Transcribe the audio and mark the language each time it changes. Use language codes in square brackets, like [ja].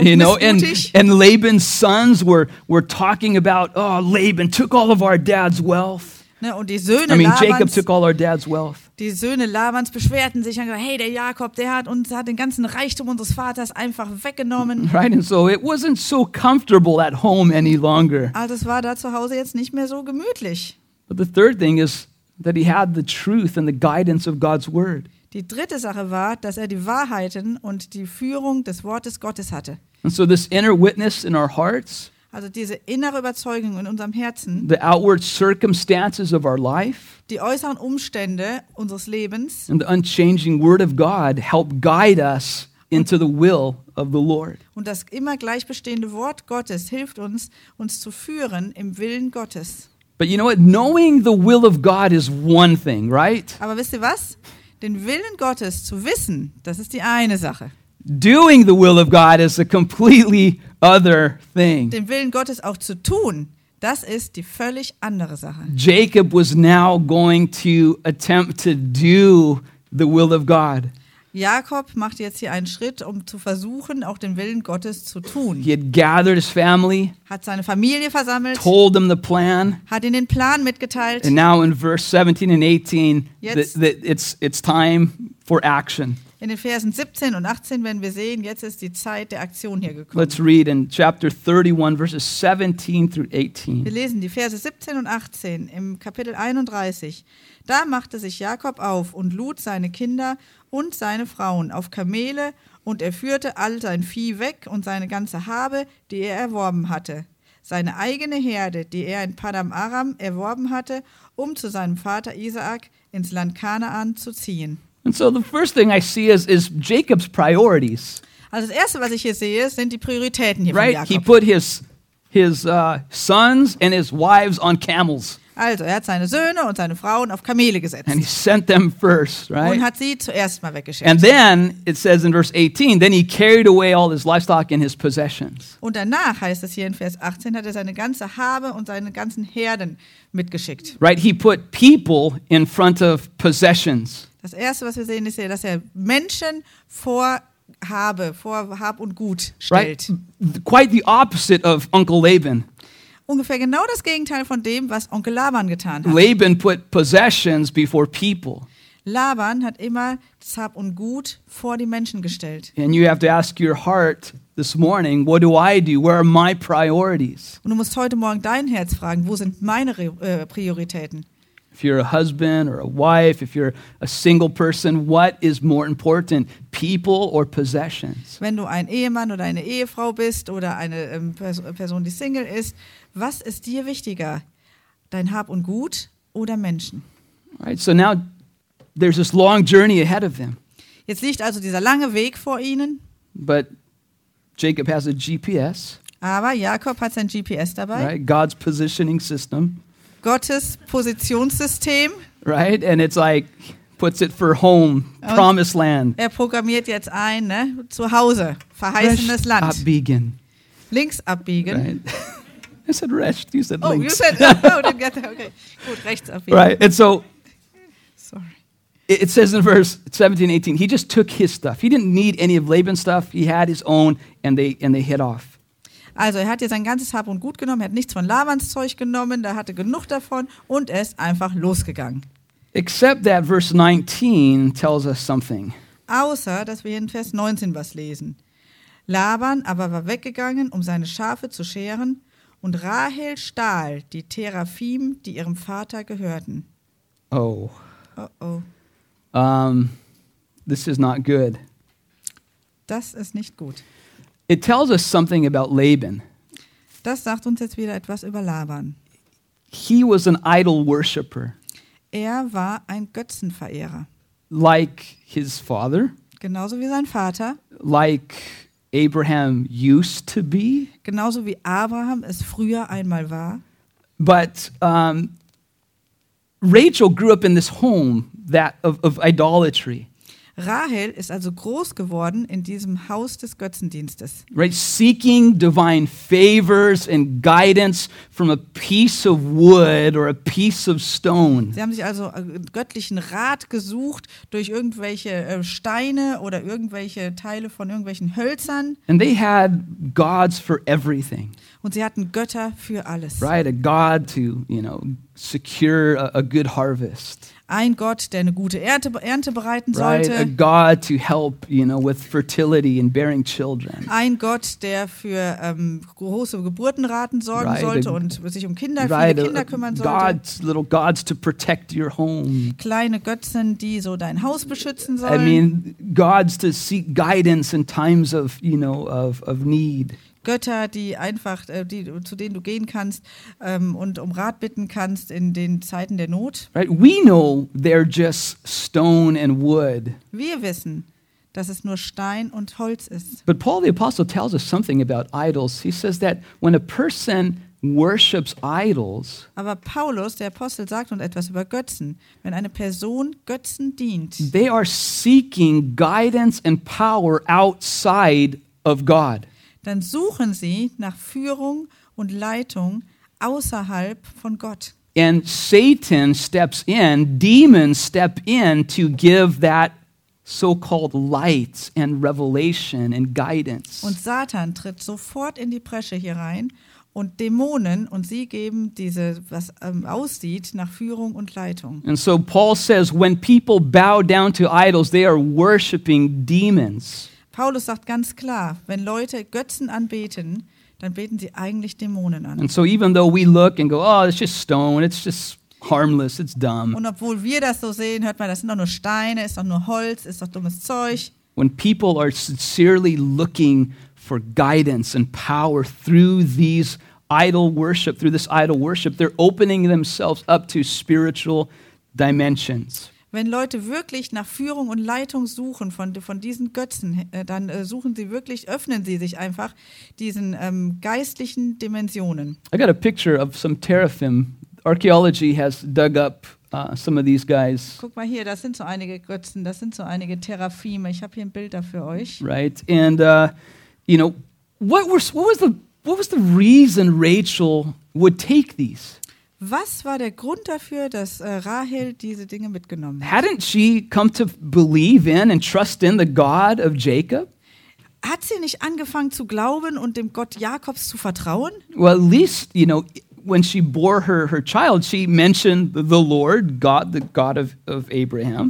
[en] you know, and Laban's sons were talking about, oh, Laban took all of our dad's wealth. [de] Ne, und die Söhne [en] Jacob took all our dad's wealth. [de] Die Söhne Labans beschwerten sich und sagten, hey, der Jakob, der hat den ganzen Reichtum unseres Vaters einfach weggenommen. [en] Right, and so it wasn't so comfortable at home any longer. [de] Also es war da zu Hause jetzt nicht mehr so gemütlich. [en] But the third thing is that he had the truth and the guidance of God's word. [de] Die dritte Sache war, dass er die Wahrheiten und die Führung des Wortes Gottes hatte. [en] And so this inner witness in our hearts. [de] Also diese innere Überzeugung in unserem Herzen, [en] the outward circumstances of our life, [de] die äußeren Umstände unseres Lebens, [en] and the unchanging word of God help guide us into the will of the Lord. [de] Und das immer gleich bestehende Wort Gottes hilft uns zu führen im Willen Gottes. [en] But you know what? Knowing the will of God is one thing, right? [de] Aber wisst ihr was? Den Willen Gottes zu wissen, das ist die eine Sache. [en] Doing the will of God is a completely other thing. [de] Den Willen Gottes auch zu tun, das ist die völlig andere Sache. [en] Jacob was now going to attempt to do the will of God. [de] Jakob macht jetzt hier einen Schritt, um zu versuchen, auch den Willen Gottes zu tun. [en] He had gathered his family, [de] hat seine Familie versammelt, [en] told them the plan, [de] hat ihnen den Plan mitgeteilt. [en] And now in verse 17 and 18, it's time for action. [de] In den Versen 17 und 18 werden wir sehen, jetzt ist die Zeit der Aktion hier gekommen. [en] Let's read in chapter 31, verses 17 through 18. [de] Wir lesen die Verse 17 und 18 im Kapitel 31. Da machte sich Jakob auf und lud seine Kinder und seine Frauen auf Kamele und er führte all sein Vieh weg und seine ganze Habe, die er erworben hatte. Seine eigene Herde, die er in Padan Aram erworben hatte, um zu seinem Vater Isaak ins Land Kanaan zu ziehen. [en] And so the first thing I see is Jacob's priorities. [de] Also das erste, was ich hier sehe, sind die Prioritäten hier [en] right? [de] von Jakob. [en] He put his sons and his wives on camels. [de] Also, er hat seine Söhne und seine Frauen auf Kamele gesetzt. [en] And he sent them first, right? [de] Und hat sie zuerst mal weggeschickt. [en] And then it says in verse 18, then he carried away all his livestock and his possessions. [de] Und danach heißt es hier in Vers 18, hat er seine ganze Habe und seine ganzen Herden mitgeschickt. [en] Right, he put people in front of possessions. [de] Das erste, was wir sehen, ist, dass er Menschen vor Habe, vor Hab und Gut stellt. [en] Right? Quite the opposite of Uncle Laban. [de] Ungefähr genau das Gegenteil von dem, was Onkel Laban getan hat. [en] Laban put possessions before people. [de] Laban hat immer das Hab und Gut vor die Menschen gestellt. [en] And you have to ask your heart this morning, what do I do? Where are my priorities? [de] Und du musst heute Morgen dein Herz fragen, wo sind meine Prioritäten? [en] If you're a husband or a wife, if you're a single person, what is more important, people or possessions? [de] Wenn du ein Ehemann oder eine Ehefrau bist oder eine Person, die Single ist, was ist dir wichtiger, dein Hab und Gut oder Menschen? [en] Right, so now there's this long journey ahead of them. [de] Jetzt liegt also dieser lange Weg vor ihnen. [en] But Jacob has a GPS. [de] Aber Jakob hat sein GPS dabei. [en] Right, God's positioning system. [de] Gottes Positionssystem. [en] Right, and it's like puts it for home, und promised land. [de] Er programmiert jetzt ein, ne? Zu Hause, verheißenes rechts Land. Abbiegen. Links abbiegen. [en] Right. I said rechts, you said links. Oh, you said, oh, didn't get that. [de] Okay, gut, rechts abbiegen. [en] Right, and so, sorry. It says in verse 17, 18, he just took his stuff. He didn't need any of Laban's stuff. He had his own and they hit off. [de] Also er hat hier sein ganzes Hab und Gut genommen, er hat nichts von Labans Zeug genommen, da hatte genug davon und er ist einfach losgegangen. [en] Except that verse 19 tells us something. [de] Außer, dass wir hier in Vers 19 was lesen. Laban aber war weggegangen, um seine Schafe zu scheren und Rahel stahl die Teraphim, die ihrem Vater gehörten. Oh. Oh-oh. [en] This is not good. [de] Das ist nicht gut. [en] It tells us something about Laban. [de] Das sagt uns jetzt wieder etwas über Laban. [en] He was an idol worshipper. [de] Er war ein Götzenverehrer. [en] Like his father. [de] Genauso wie sein Vater. [en] Like Abraham used to be. [de] Genauso wie Abraham es früher einmal war. [en] But Rachel grew up in this home that of idolatry. [de] Rahel ist also groß geworden in diesem Haus des Götzendienstes. [en] Right, seeking divine favors and guidance from a piece of wood or a piece of stone. [de] Sie haben sich also göttlichen Rat gesucht durch irgendwelche Steine oder irgendwelche Teile von irgendwelchen Hölzern. [en] And they had gods for everything. [de] Und sie hatten Götter für alles. [en] Right, a god to, you know, secure a good harvest. [de] Ein Gott, der eine gute Ernte bereiten sollte. [en] Right, a God to help, you know, with fertility and bearing children. [de] Ein Gott, der für große Geburtenraten sorgen [en] right, [de] sollte und sich um Kinder, right, viele Kinder kümmern sollte. [en] Gods, little gods to protect your home. [de] Kleine Götzen, die so dein Haus beschützen sollen. [en] I mean, gods to seek guidance in times of, you know, of need. [de] Götter, die einfach, die, zu denen du gehen kannst und um Rat bitten kannst in den Zeiten der Not. [en] Right, we know they're just stone and wood. [de] Wir wissen, dass es nur Stein und Holz ist. [en] But Paul the Apostle tells us something about idols. He says that when a person worships idols. [de] Aber Paulus, der Apostel, sagt uns etwas über Götzen. Wenn eine Person Götzen dient. [en] They are seeking guidance and power outside of God. [de] Dann suchen sie nach Führung und Leitung außerhalb von Gott. [en] And Satan steps in, demons step in to give that so-called light and revelation and guidance. [de] Und Satan tritt sofort in die Bresche hier rein und Dämonen und sie geben diese, was aussieht nach Führung und Leitung. [en] And so Paul says, when people bow down to idols, they are worshiping demons. [de] Paulus sagt ganz klar, wenn Leute Götzen anbeten, dann beten sie eigentlich Dämonen an. [en] And so even though we look and go, oh, it's just stone, it's just harmless, it's dumb. [de] Und obwohl wir das so sehen, hört man, das sind doch nur Steine, ist doch nur Holz, ist doch dummes Zeug. [en] When people are sincerely looking for guidance and power through these idol worship, through this idol worship, they're opening themselves up to spiritual dimensions. [de] Wenn Leute wirklich nach Führung und Leitung suchen von diesen Götzen, dann suchen sie wirklich, öffnen sie sich einfach diesen geistlichen Dimensionen. [en] I got a picture of some teraphim. Archaeology has dug up some of these guys. [de] Guck mal hier, das sind so einige Götzen, das sind so einige Teraphime. Ich habe hier ein Bild dafür euch. [en] Right, and you know, what was the reason Rachel would take these? [de] Was war der Grund dafür, dass Rahel diese Dinge mitgenommen hat? [en] Hadn't she come to believe in and trust in the God of Jacob? [de] Hat sie nicht angefangen zu glauben und dem Gott Jakobs zu vertrauen? [en] Well, at least, you know, when she bore her child, she mentioned the Lord, God, the God of Abraham.